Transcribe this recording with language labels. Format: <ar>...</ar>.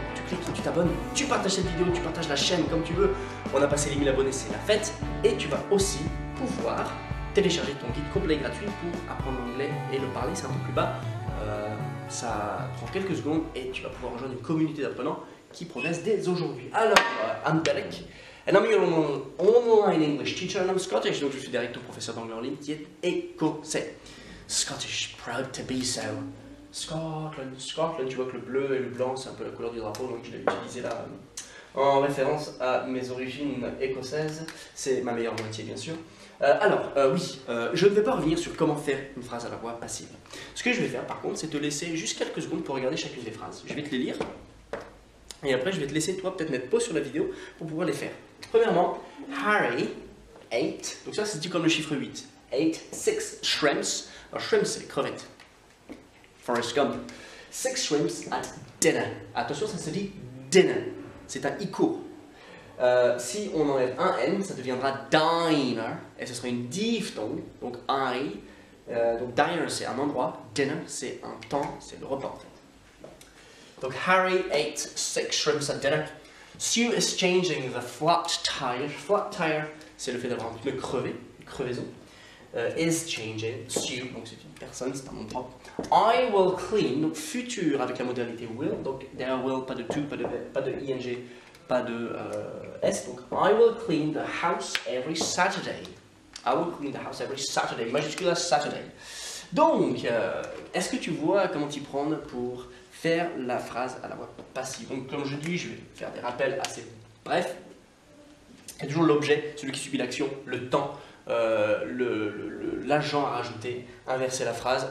<fr>Tu cliques, tu t'abonnes, tu partages cette vidéo, tu partages la chaîne comme tu veux. On a passé les 1000 abonnés, c'est la fête. Et tu vas aussi pouvoir télécharger ton guide complet gratuit pour apprendre l'anglais et le parler, c'est un peu plus bas. Ça prend quelques secondes et tu vas pouvoir rejoindre une communauté d'apprenants qui progresse dès aujourd'hui.</fr> <en>Alors, I'm Derek, and I'm your online English teacher, and I'm Scottish.</en> <fr>Donc, je suis Derek, ton professeur d'anglais en ligne qui est écossais.</fr> <en>Scottish, proud to be so.</en> <fr>Scotland, tu vois que le bleu et le blanc, c'est un peu la couleur du drapeau, donc je l'ai utilisé là en référence à mes origines écossaises. C'est ma meilleure moitié, bien sûr. Je ne vais pas revenir sur comment faire une phrase à la voix passive. Ce que je vais faire par contre, c'est te laisser juste quelques secondes pour regarder chacune des phrases. Je vais te les lire et après je vais te laisser toi peut-être mettre pause sur la vidéo pour pouvoir les faire. Premièrement,</fr> <en>Harry ate,</en> <fr>donc ça c'est dit comme le chiffre 8,</fr> <en>ate 6 shrimps.</en> <fr>Alors shrimps c'est crevettes. Forrest Gump.</fr> <en>6 shrimps at dinner.</en> <fr>Attention, ça se dit dinner. C'est un ico. Si on enlève un N, ça deviendra diner, et ce serait une diphtongue, donc I. Donc diner, c'est un endroit, dinner, c'est un temps, c'est le repas en fait.</fr> <en>Donc Harry ate 6 shrimps at dinner. Sue is changing the flat tire.</en> <fr>Flat tire, c'est le fait d'avoir un pneu crevé, une crevaison.</fr> <en>Is changing, Sue,</en> <fr>donc c'est une personne, c'est un nom propre.</fr> <en>I will clean,</en> <fr>donc futur avec la modalité will, donc there will, pas de to, pas de ing. Pas de S, donc</fr> <en>I will clean the house every Saturday. I will clean the house every Saturday, majuscule Saturday.</en> <fr>Donc, est-ce que tu vois comment t'y prendre pour faire la phrase à la voix passive? Donc, comme je dis, je vais faire des rappels assez brefs. Il y a toujours l'objet, celui qui subit l'action, le temps, l'agent à rajouter, inverser la phrase.</fr>